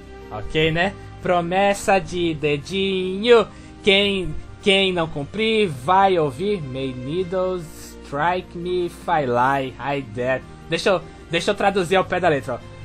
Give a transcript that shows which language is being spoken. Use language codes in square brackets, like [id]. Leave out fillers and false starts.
[pt] Ok, né? Promessa de dedinho. Quem não cumprir vai ouvir. [en] May needles strike me if I lie. I dare. [pt] Deixa eu traduzir ao pé da letra, ó.